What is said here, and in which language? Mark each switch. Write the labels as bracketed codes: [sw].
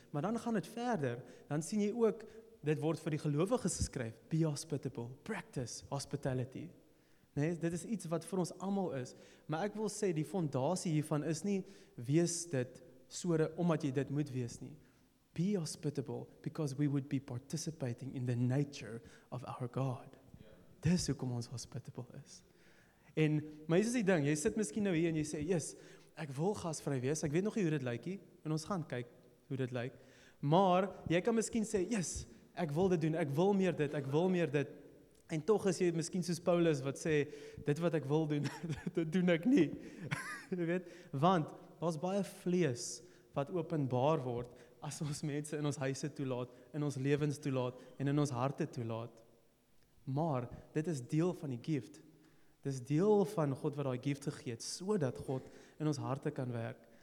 [af] Maar dan gaan dit verder, dan sien jy ook, dit word vir die gelowiges geskryf, be hospitable, practice hospitality. Nee, dit is iets wat vir ons allemaal is, maar ek wil sê, die fondasie hiervan is nie, wees dit, omdat jy dit moet wees nie. [en] Be hospitable, because we would be participating in the nature of our God. [af] Yeah. Dis hoekom ons hospitable is. En, maar hier is die ding, jy sit miskien nou hier en jy sê, yes, ek wil gasvry wees, ek weet nog nie hoe dit lyk hier, en ons gaan kyk hoe dit lyk, maar, jy kan miskien sê, yes, ek wil dit doen, ek wil meer dit. En toch is jy miskien soos Paulus wat sê, dit wat ek wil doen, dit doen ek nie. Jy weet, want daar is baie vlees wat openbaar word as ons mense in ons huise toelaat, in ons lewens toelaat en in ons harte toelaat. Maar dit is deel van die gift. Dit is deel van God wat die gift gegee het, so dat God in ons harte kan werk.